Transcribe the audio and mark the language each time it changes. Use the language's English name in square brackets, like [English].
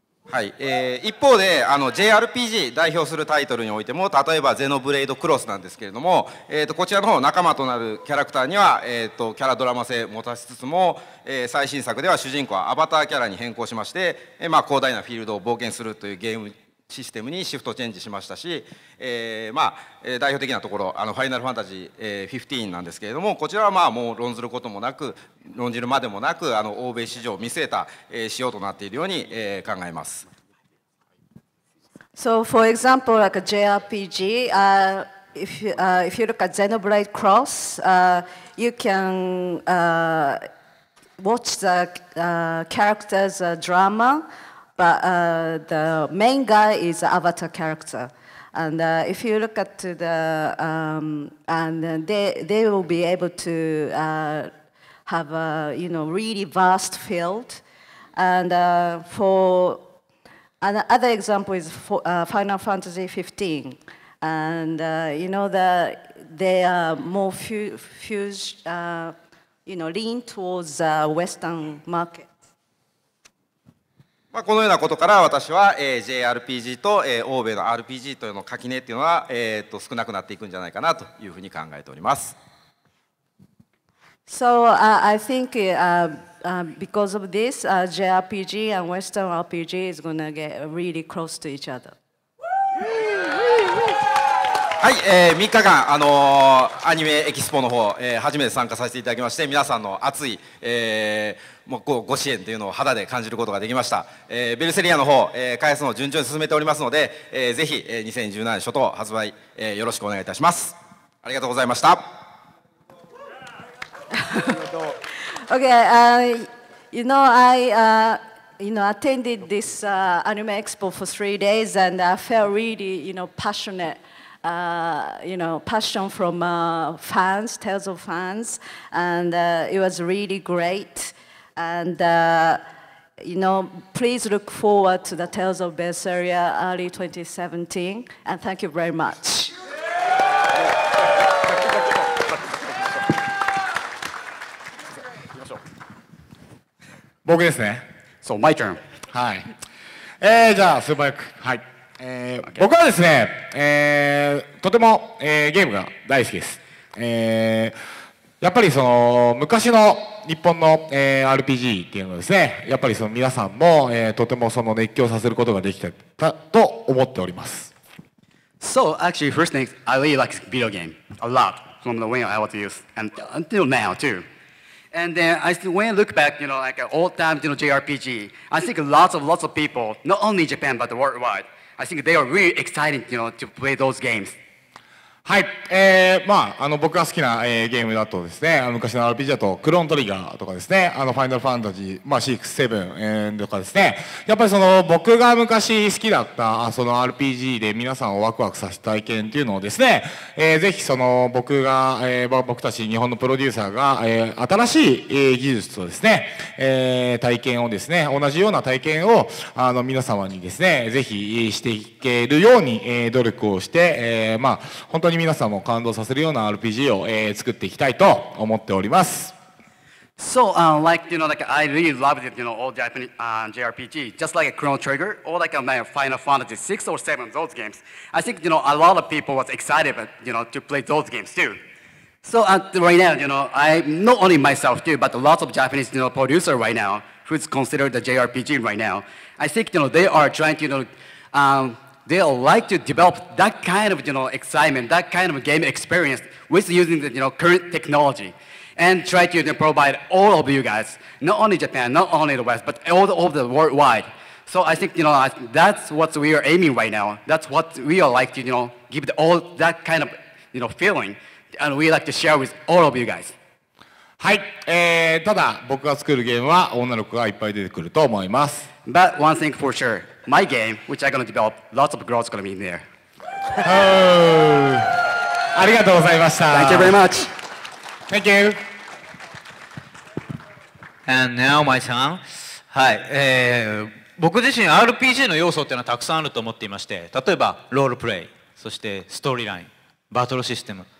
[Japanese] はい、一方で JRPG 代表するタイトルにおいても、例えばゼノブレイドクロスなんですけれども、こちらの方仲間となるキャラクターには、キャラドラマ性を持たせつつも、最新作では主人公はアバターキャラに変更しまして、まあ、広大なフィールドを冒険するというゲームシステムにシフトチェンジしましたし、まあ、代表的なところファイナルファンタジー、15なんですけれども、こちらはまあもう論じるまでもなく欧米市場を見据えた、仕様となっているように、考えます。 [English] So for example, like a JRPG, if you look at Xenoblade Cross, you can watch the characters drama. But the main guy is the avatar character. And if you look at the, and they will be able to have a, you know, really vast field. And for another example is for, Final Fantasy 15. And you know, that they are more fused, you know, lean towards the Western market. [Japanese] まあ、このようなことから私は JRPG と欧米の RPG というの垣根というのは少なくなっていくんじゃないかなというふうに考えております。 [English] So, I think because of this, JRPG and Western RPG is going to get really close to each other. [Japanese] はい、3日間、アニメエキスポの方、初めて参加させていただきまして、皆さんの熱い、ご支援というのを肌で感じることができました。ベルセリアの方、開発の順調に進めておりますので、ぜひ、2017年初頭発売、よろしくお願いいたします。ありがとうございました。 [English] Okay, you know, I attended this anime expo for 3 days and I felt really, you know, passionateyou know, passion from fans, tales of fans, and it was really great. And you know, please look forward to the Tales of Berseria early 2017. And thank you very much. [Japanese] Yeah! 僕ですね。 [English] So my turn. [Japanese] はい、じゃあスーパーエッグ、はい、okay. 僕はですね、とても、ゲームが大好きです、やっぱりその昔の日本の、RPG っていうのですね、やっぱりその皆さんも、とてもその熱狂させることができてたと思っております。 [English] So actually first thing, I really like video game a lot from the way I was used and until now tooAnd then I still, when I look back, you know, like an old time, you know, JRPG, I think lots of people, not only Japan, but worldwide, I think they are really excited, you know, to play those games. [Japanese] はい、まあ、あの僕が好きな、ゲームだとですね、昔の RPG だとクローントリガーとかですね、あのファイナルファンタジー、まあ、6、7、とかですね、やっぱりその僕が昔好きだったその RPG で皆さんをワクワクさせた体験っていうのをですね、ぜひその僕が、僕たち日本のプロデューサーが、新しい、技術とですね、体験をですね、同じような体験をあの皆様にですね、ぜひしていけるように、努力をして、まあ、本当に皆さんも感動させるような RPG を、作っていきたいと思っております。 [English] So, like, you know, like, I really love it, you know, all Japanese, JRPG, just like a Chrono Trigger, or like a Final Fantasy 6 or 7, those games. I think, you know, a lot of people was excited, but, you know, to play those games too. So, right now, you know, I, not only myself too, but lots of Japanese, you know, producer right now, who's considered the JRPG right now, I think, you know, they are trying to, you know, They'll like to develop that kind of, you know, excitement, that kind of game experience with using the, you know, current technology and try to, you know, provide all of you guys, not only Japan, not only the West, but all over the worldwide. So I think, you know, that's what we are aiming right now. That's what we are like to, you know, give all that kind of, you know, feeling and we like to share with all of you guys. [Japanese] はい、ただ僕が作るゲームは女の子がいっぱい出てくると思います。 [English] But one thing for sure, my game, which I'm gonna develop, lots of girls gonna be in there. [Japanese] Oh, ありがとうございました。 [English] Thank you very much. Thank you. And now my turn. [Japanese] はい、僕自身 RPG の要素っていうのはたくさんあると思っていまして、例えばロールプレイ、そしてストーリーライン、バトルシステム。